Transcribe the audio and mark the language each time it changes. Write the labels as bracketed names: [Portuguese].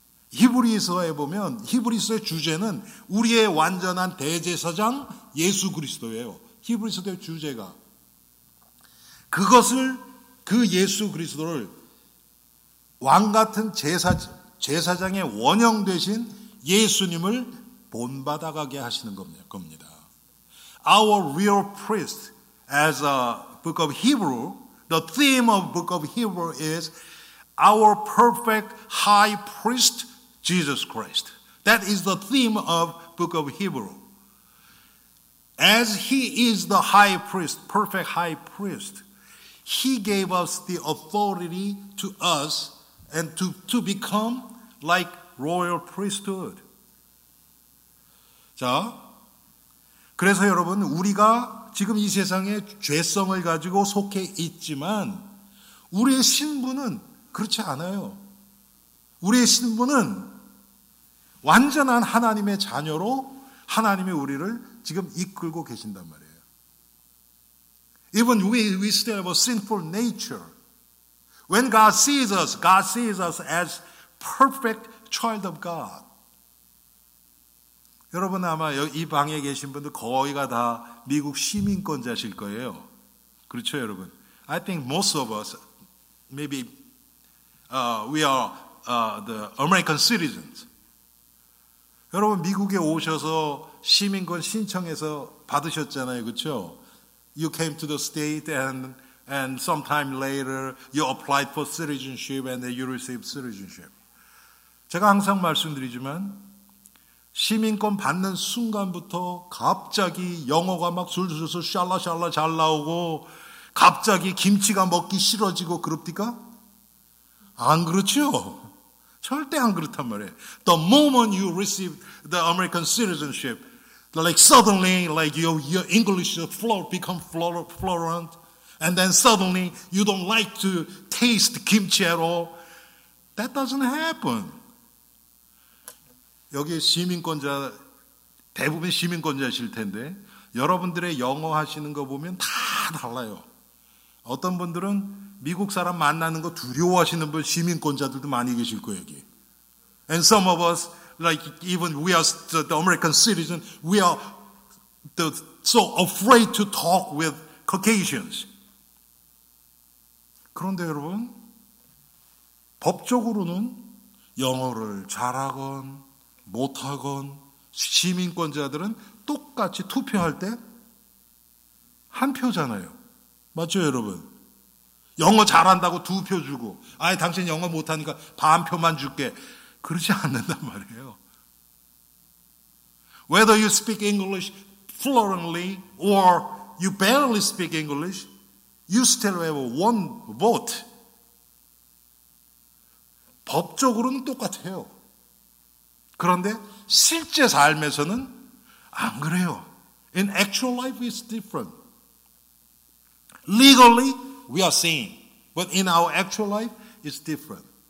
[Korean] 히브리서에 보면 히브리서의 주제는 우리의 완전한 대제사장 예수 그리스도예요. 히브리서의 주제가 그것을, 그 예수 그리스도를 왕같은 제사장의 원형 되신 예수님을 본받아가게 하시는 겁니다. [English] Our real priest, as a book of Hebrew, the theme of book of Hebrew is our perfect high priest, Jesus Christ. That is the theme of book of Hebrew. As he is the high priest, perfect high priest, He gave us the authority to us and to become like royal priesthood. [Korean] 자, 그래서 여러분, 우리가 지금 이 세상에 죄성을 가지고 속해 있지만 우리의 신분은 그렇지 않아요. 우리의 신분은 완전한 하나님의 자녀로 하나님이 우리를 지금 이끌고 계신단 말이에요. [English] Even we still have a sinful nature. When God sees us, God sees us as perfect child of God. [Korean] 여러분 아마 이 방에 계신 분들 거의가 다 미국 시민권자실 거예요. 그렇죠, 여러분? [English] I think most of us, maybe we are the American citizens. [Korean] 여러분 미국에 오셔서 시민권 신청해서 받으셨잖아요, 그렇죠? [English] You came to the state and sometime later you applied for citizenship and then you received citizenship. [Korean] 제가 항상 말씀드리지만 시민권 받는 순간부터 갑자기 영어가 막 술술술 샬라샬라 잘 나오고 갑자기 김치가 먹기 싫어지고 그럽디까? 안 그렇죠? 절대 안 그렇단 말이에요. [English] The moment you receive the American citizenship, like suddenly like your English become fluent, and then suddenly you don't like to taste kimchi at all. That doesn't happen. [Korean] 여기 시민권자 대부분 시민권자실 텐데 여러분들의 영어 하시는 거 보면 다 달라요. 어떤 분들은 미국 사람 만나는 거 두려워하시는 분 시민권자들도 많이 계실 거예요, 여기. [English] And some of us, like even we are the American citizen, we are so afraid to talk with Caucasians. [Korean] 그런데 여러분, 법적으로는 영어를 잘하건 못하건 시민권자들은 똑같이 투표할 때 한 표잖아요. 맞죠, 여러분? 영어 잘한다고 두 표 주고, 아예 당신 영어 못하니까 반 표만 줄게. 그러지 않는단 말이에요. [English] Whether you speak English fluently or you barely speak English, you still have one vote. [Korean] 법적으로는 똑같아요. 그런데 실제 삶에서는 안 그래요. [English] In actual life, it's different. Legally, we are same. But in our actual life, it's different.